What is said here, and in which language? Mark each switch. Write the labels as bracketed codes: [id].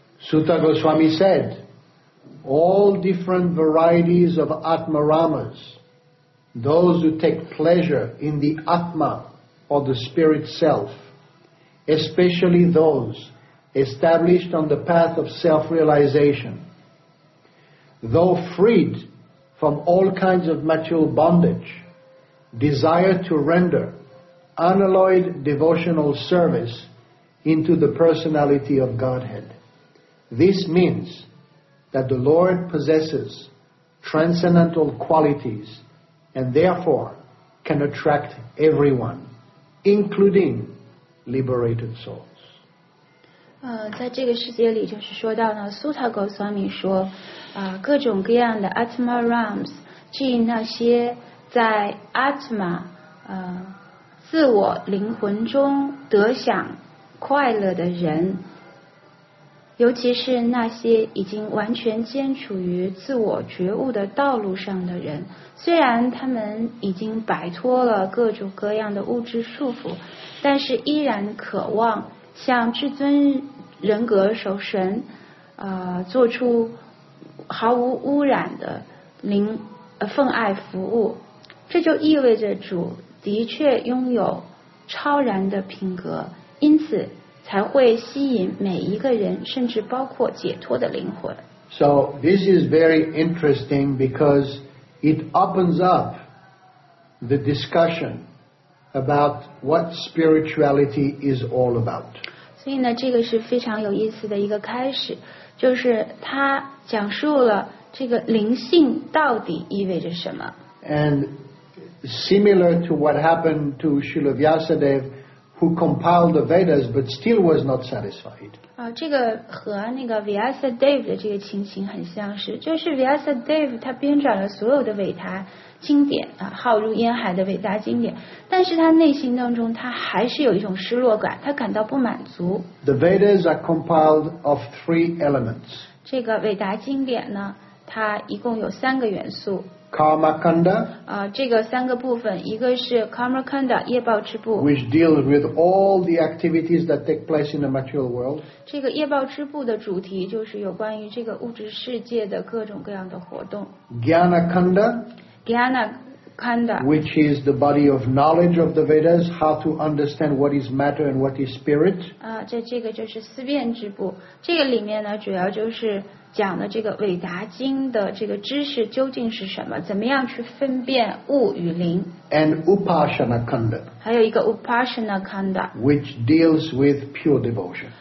[en] Sutta Goswami said, all different varieties of Atmaramas, those who take pleasure in the Atma or the Spirit Self, especially those established on the path of self-realization,though freed from all kinds of material bondage, desire to render unalloyed devotional service into the personality of Godhead. This means that the Lord possesses transcendental qualities and therefore can attract everyone, including liberated souls. [zh] 在这个世界里就是说到呢， Sutta Goswami 说各种各样的 Atma Rams 即那些在 Atma 自我灵魂中得享快乐的人，尤其是那些已经完全坚处于自我觉悟的道路上的人，虽然他们已经摆脱了各种各样的物质束缚，但是依然渴望向至尊人格守神做出毫无污染的灵奉爱服务，这就意味着主的确拥有超然的品格，因此才会吸引每一个人，甚至包括解脱的灵魂。 [en] So this is very interesting because it opens up the discussion about what spirituality is all about. [zh] 所以呢，这个是非常有意思的一个开始，就是他讲述了这个灵性到底意味着什么。 [en] And similar to what happened to Srila Vyasadev, who compiled the Vedas but still was not satisfied. [zh] 这个和那个 Vyasadev 的这个情形很相似，就是 Vyasadev 他编撰了所有的伟大经典浩如烟海的伟大经典，但是他内心当中他还是有一种失落感，他感到不满足。 [en] The Vedas are compiled of three elements. [zh] 这个伟大经典呢，它一共有三个元素。 [sa] Karmakanda, [zh] 这个三个部分，一个是 Karmakanda, 业报支部， [en] which deals with all the activities that take place in the material world. [zh] 这个业报支部的主题就是有关于这个物质世界的各种各样的活动。 [sa] Gyanakanda, Gyana Kanda, [en] which is the body of knowledge of the Vedas, how to understand what is matter and what is spirit. [zh] 这个就是思辨之部，这个里面呢主要就是讲的这个韦达经的这个知识究竟是什么，怎么样去分辨物与灵。 [en] And Upasana Kanda, [zh] 还有一个 Upasana Kanda, [en] which deals with pure devotion.